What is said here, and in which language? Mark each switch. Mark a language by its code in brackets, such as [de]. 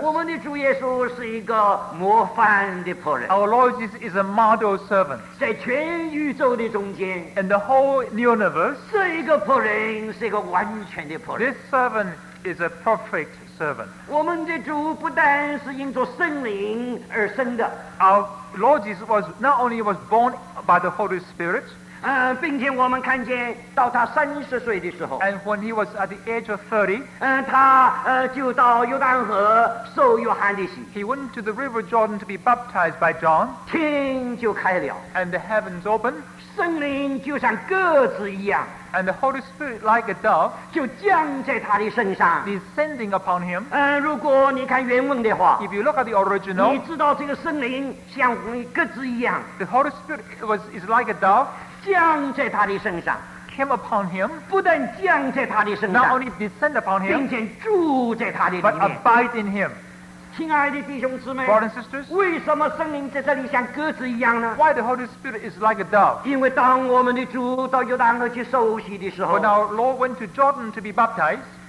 [zh] 我们的主耶稣是一个模范的仆人。 [en] Our Lord Jesus is a model servant. [zh] 在全宇宙的中间。 [en] In the whole universe. [zh] 这一个仆人是一个完全的仆人。 [en] This servant is a perfect servant. [zh] 我们的主不但是因着圣灵而生的。 [en] Our Lord Jesus was not only was born by the Holy Spirit. [zh] 并且我们看见到他三十岁的时候 [en] and when he was at the age of 30 [zh] 他就到约旦河受约翰的洗 [en] he went to the river Jordan to be baptized by John [zh] 天就开了 [en] and the heavens opened [zh] 圣灵就像鸽子一样 [en] and the Holy Spirit like a dove [zh] 就降在他的身上 [en] descending upon him [zh] 如果你看原文的话 [en] if you look at the original [zh] 你知道这个圣灵像鸽子一样 [en] the Holy Spirit is like a dove [zh] 降在他的身上 [en] came upon him [zh] 不但降在他的身上 [en] not only descend upon him [zh] 并且住在他的里面 [en] but abide in him [zh] 亲爱的弟兄姊妹 [en] brothers and sisters [zh] 为什么圣灵在这里像鸽子一样呢 [en] why the Holy Spirit is like a dove [zh] 因为当我们的主到约旦河去受洗的时候 [en] when our Lord went to Jordan to be baptized